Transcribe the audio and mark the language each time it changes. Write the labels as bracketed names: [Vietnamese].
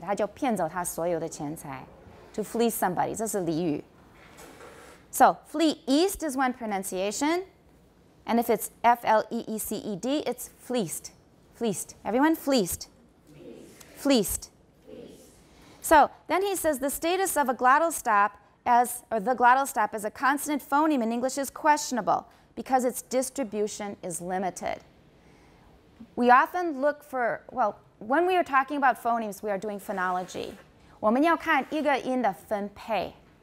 [Chinese] 他就骗走他所有的钱财. [English] To fleece somebody. [Chinese] 这是俚语. [English] So, flee east is one pronunciation, and if it's F-L-E-E-C-E-D, it's fleeced. Fleeced. Everyone, fleeced. Fleeced. Fleeced. Fleeced. So, then he says the status of a glottal stop as a consonant phoneme in English is questionable because its distribution is limited. We often look for, well, when we are talking about phonemes, we are doing phonology. [Chinese] 我们要看一个音的分配.